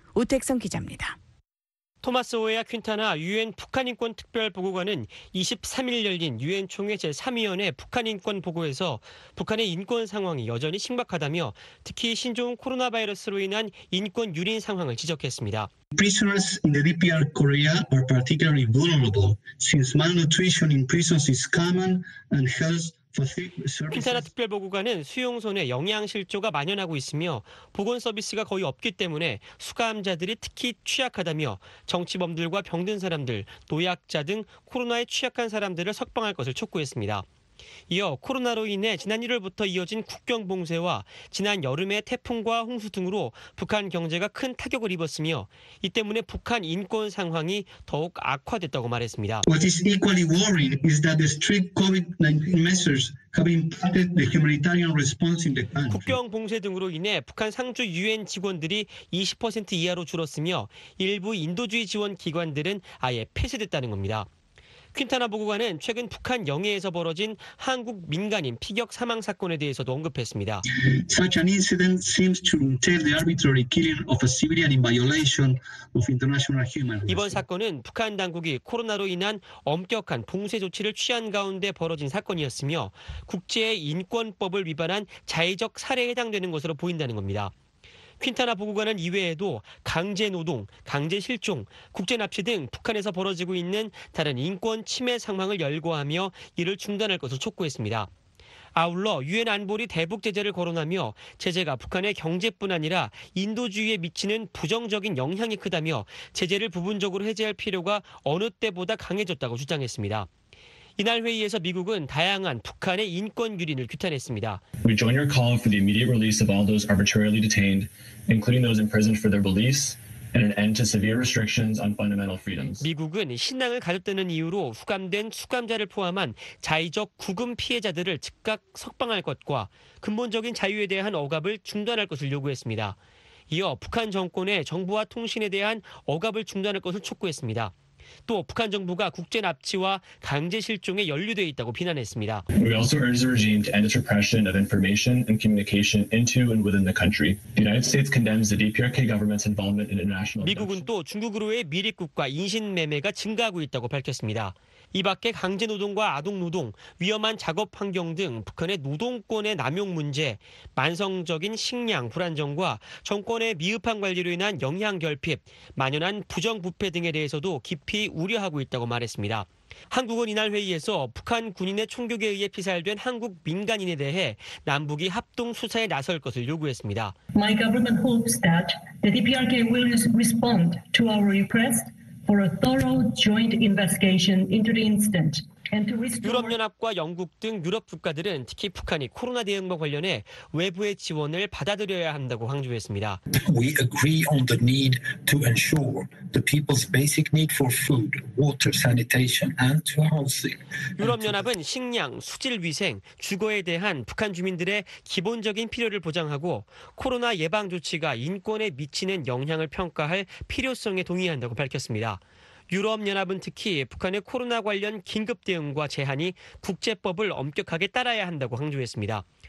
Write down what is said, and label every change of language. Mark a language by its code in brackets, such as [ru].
[ko] 오택성 기자입니다. 토마스 오에아 퀸타나 유엔 북한인권특별보고관은 23일 열린 유엔총회 제3위원회 북한인권보고에서 북한의 인권 상황이 여전히 심각하다며 특히 신종 코로나 바이러스로 인한 인권 유린 상황을 지적했습니다. [en] Prisoners in the DPR Korea are particularly vulnerable since malnutrition in prisons is common and health [ko] 퀸타나 특별보고관은 수용소 내 영양실조가 만연하고 있으며 보건서비스가 거의 없기 때문에 수감자들이 특히 취약하다며 정치범들과 병든 사람들, 노약자 등 코로나에 취약한 사람들을 석방할 것을 촉구했습니다. 이어 코로나로 인해 지난 1월부터 이어진 국경 봉쇄와 지난 여름의 태풍과 홍수 등으로 북한 경제가 큰 타격을 입었으며 이 때문에 북한 인권 상황이 더욱 악화됐다고 말했습니다. [en] What is equally worrying is that the strict COVID-19 measures have impacted the humanitarian response in the country. [ko] 국경 봉쇄 등으로 인해 북한 상주 유엔 직원들이 20% 이하로 줄었으며 일부 인도주의 지원 기관들은 아예 폐쇄됐다는 겁니다. 퀸타나 보고관은 최근 북한 영해에서 벌어진 한국 민간인 피격 사망 사건에 대해서도 언급했습니다. [en] Such an incident seems to entail the arbitrary killing of a civilian in violation of international human rights. [ko] 이번 사건은 북한 당국이 코로나로 인한 엄격한 봉쇄 조치를 취한 가운데 벌어진 사건이었으며 국제 인권법을 위반한 자의적 사례에 해당되는 것으로 보인다는 겁니다. 퀸타나 보고관은 이외에도 강제노동, 강제실종, 국제납치 등 북한에서 벌어지고 있는 다른 인권 침해 상황을 열거하며 이를 중단할 것을 촉구했습니다. 아울러 유엔 안보리 대북 제재를 거론하며 제재가 북한의 경제뿐 아니라 인도주의에 미치는 부정적인 영향이 크다며 제재를 부분적으로 해제할 필요가 어느 때보다 강해졌다고 주장했습니다. 이날 회의에서 미국은 다양한 북한의 인권 유린을 규탄했습니다. [en] We join your call for the immediate release of all those arbitrarily detained, including those imprisoned for their beliefs, and an end to severe restrictions on fundamental freedoms. [ko] 미국은 신앙을 가졌다는 이유로 수감된 수감자를 포함한 자의적 구금 피해자들을 즉각 석방할 것과 근본적인 자유에 대한 억압을 중단할 것을 요구했습니다. 이어 북한 정권의 정부와 통신에 대한 억압을 중단할 것을 촉구했습니다. 또 북한 정부가 국제 납치와 강제 실종에 연루돼 있다고 비난했습니다. [en] We also urge the regime to end its repression of information and communication into and within the country. The United States condemns the DPRK government's involvement in international. [ko] 미국은 또 중국으로의 밀입국과 인신매매가 증가하고 있다고 밝혔습니다. 이 밖에 강제노동과 아동노동, 위험한 작업 환경 등 북한의 노동권의 남용 문제, 만성적인 식량 불안정과 정권의 미흡한 관리로 인한 영향 결핍, 만연한 부정부패 등에 대해서도 깊이 우려하고 있다고 말했습니다. 한국은 이날 회의에서 북한 군인의 총격에 의해 피살된 한국 민간인에 대해 남북이 합동 수사에 나설 것을 요구했습니다. [en] My government hopes that the DPRK will respond to our request for a thorough joint investigation into the incident. [ko] 유럽연합과 영국 등 유럽 국가들은 특히 북한이 코로나 대응과 관련해 외부의 지원을 받아들여야 한다고 강조했습니다. [en] We agree on the need to ensure the people's basic need for food, water, sanitation, and housing. [ko] 유럽연합은 식량, 수질 위생, 주거에 대한 북한 주민들의 기본적인 필요를 보장하고 코로나 예방 조치가 인권에 미치는 영향을 평가할 필요성에 동의한다고 밝혔습니다. 유럽연합은 특히 북한의 코로나 관련 긴급 대응과 제한이 국제법을 엄격하게 따라야 한다고 강조했습니다.